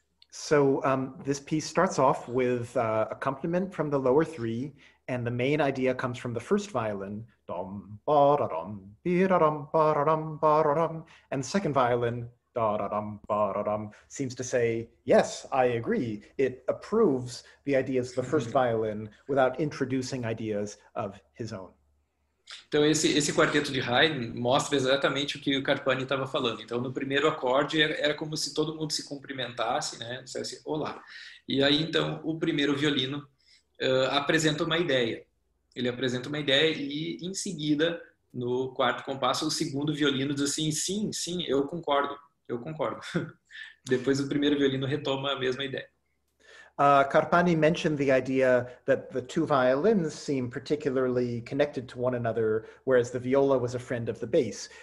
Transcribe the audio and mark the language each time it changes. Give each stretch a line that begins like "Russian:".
English: So this piece starts off with accompaniment from the lower three, and the main idea comes from the first violin, dom ba da dom bi da dom ba da dom ba da dom, and the second violin, da da dum ba da dum, seems to say, yes, I agree. It approves the ideas of the first violin without introducing ideas of his own.
Portuguese: Então, esse quarteto de Haydn mostra exatamente o que o Carpani estava falando. Então, no primeiro acorde, era como se todo mundo se cumprimentasse, né? Dissesse, olá. E aí, então, o primeiro violino apresenta uma ideia. Ele apresenta uma ideia e, em seguida, no quarto compasso, o segundo violino diz assim, sim, sim, eu concordo. Depois o primeiro violino retoma a mesma ideia.
English: Carpani mentioned the idea that the two violins seem particularly connected to one another, whereas the viola was a friend of the bass.